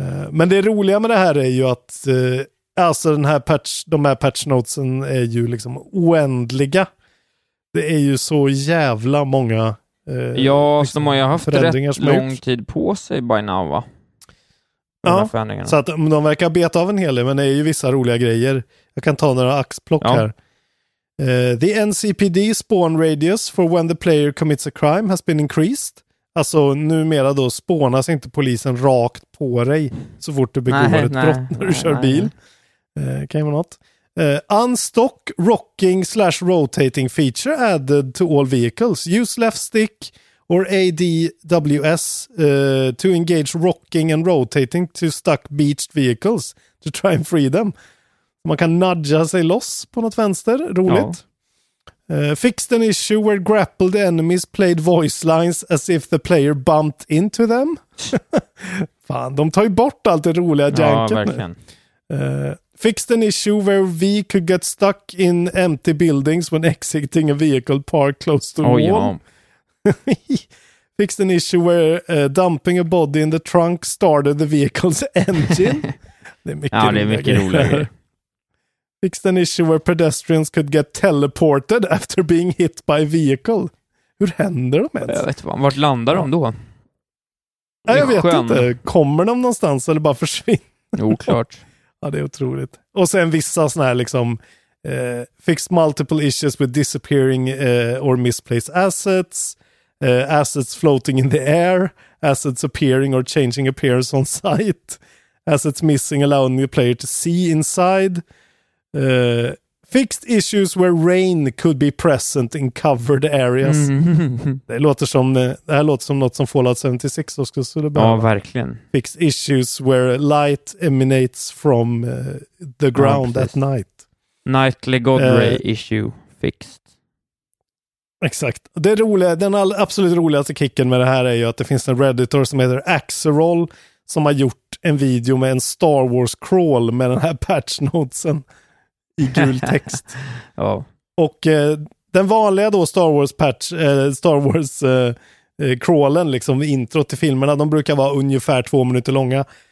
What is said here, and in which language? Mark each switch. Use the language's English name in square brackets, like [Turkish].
[Swedish] Men det roliga med det här är ju att alltså den här patchnotesen är ju liksom oändliga. Det är ju så jävla många liksom, de har ju haft förändringar rätt lång tid på sig [English] by now, [Swedish] va? Ja, förändringarna. Så att de verkar beta av en hel del, men det är ju vissa roliga grejer. Jag kan ta några axplock här. [English] The NCPD spawn radius for when the player commits a crime has been increased. [Swedish] Alltså numera då spånas inte polisen rakt på dig så fort du begår brott när du kör bil. Kan ju vara något. [English] Unstock rocking / rotating feature added to all vehicles. Use left stick or ADWS to engage rocking and rotating to stuck beached vehicles to try and free them. [Swedish] Man kan nudga sig loss på något vänster. Roligt. [English] Fixed an issue where grappled enemies played voice lines as if the player bumped into them. [Swedish] Fan, de tar ju bort allt det roliga janket. Ja, verkligen. [English] Fixed an issue where we could get stuck in empty buildings when exiting a vehicle parked close to wall. [Swedish] Ja. [English] Fixed an issue where dumping a body in the trunk started the vehicle's engine. [Swedish] Det är mycket, ja, det är mycket roligare. [English] Fixed an issue where pedestrians could get teleported after being hit by a vehicle. [Swedish] Hur händer de ens? Jag vet inte, vart landar de då? Nej, jag vet inte. Kommer de någonstans eller bara försvinner? Jo, klart. Ja, det är otroligt. Och sen vissa sådana här liksom [English] fixed multiple issues with disappearing or misplaced assets. Assets floating in the air. Assets appearing or changing appearance on site. Assets missing allowing the player to see inside. Fixed issues where rain could be present in covered areas. [Swedish] Det låter som det här låter som något som Fallout 76 skulle behöva. Ja, verkligen. [English] Fixed issues where light emanates from the ground at night. Nightly god ray issue fixed. [Swedish] Exakt. Det roliga, den absolut roligaste kicken med det här är ju att det finns en redditor som heter Axeroll som har gjort en video med en Star Wars crawl med den här patchnotesen i gul text. Oh. Och den vanliga då Star Wars patch Star Wars crawlen liksom intro till filmerna, de brukar vara ungefär 2 minuter långa.